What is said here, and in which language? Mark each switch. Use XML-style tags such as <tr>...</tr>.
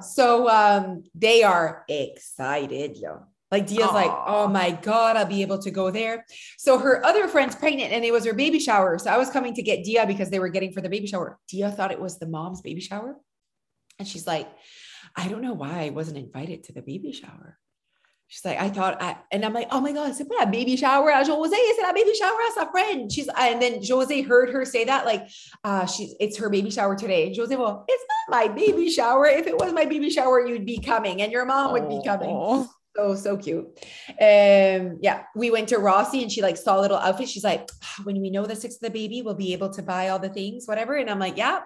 <en>So they are excited, though. Like Dia's aww. Like, oh my God, I'll be able to go there. So her other friend's pregnant and it was her baby shower. So I was coming to get Dia because they were getting for the baby shower. Dia thought it was the mom's baby shower. And she's like, I don't know why I wasn't invited to the baby shower. She's like, I'm like, oh my God,</en> <fr>c'est pas la baby shower à José, c'est la baby shower à sa friend.</fr> <en>She's, and then José heard her say that, like, it's her baby shower today. And José, well, it's not my baby shower. If it was my baby shower, you'd be coming and your mom would be coming. So, so cute. Yeah, we went to Rossi and she like saw a little outfit. She's like, when we know the sex of the baby, we'll be able to buy all the things, whatever. And I'm like, yeah.</en>